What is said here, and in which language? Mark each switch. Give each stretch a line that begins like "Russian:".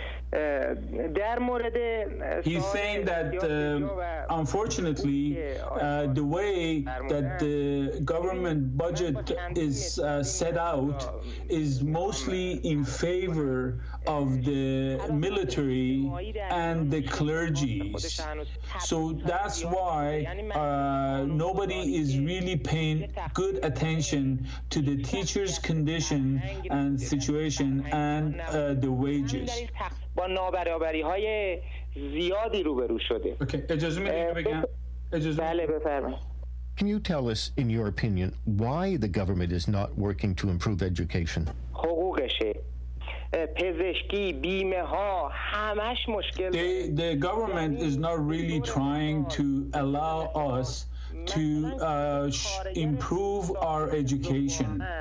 English: He's saying that unfortunately the way that the government budget is set out is mostly in favor of the military and the clergy. So that's why nobody is really paying good attention to the teachers' condition and situation and the wages.
Persian: با نابرابری‌های زیادی روبرو شده. Okay. اجازه میدید بگم. اجازه. بله بفرمایید.
English: Can you tell us in your opinion why the government is not working to improve education?
Persian: حقوقشه. پزشکی بیمه ها همش مشکل
English: the government is not really trying to allow us to improve our education.